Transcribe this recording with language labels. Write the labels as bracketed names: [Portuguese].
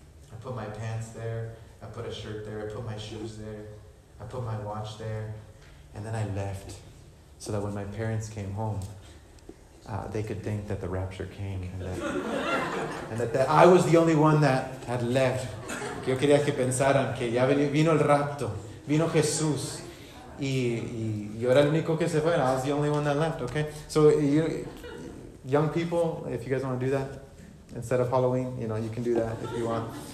[English] I put my pants there. I put a shirt there, I put my shoes there, I put my watch there, and then I left so that when my parents came home, they could think that the rapture came and that I was the only one that had left. [Spanish] Yo quería que pensaran que ya vino el rapto, vino Jesús. Y yo era el único que se fue. [English] I was the only one that left, okay? So, young people, if you guys want to do that, instead of Halloween, you know, you can do that if you want.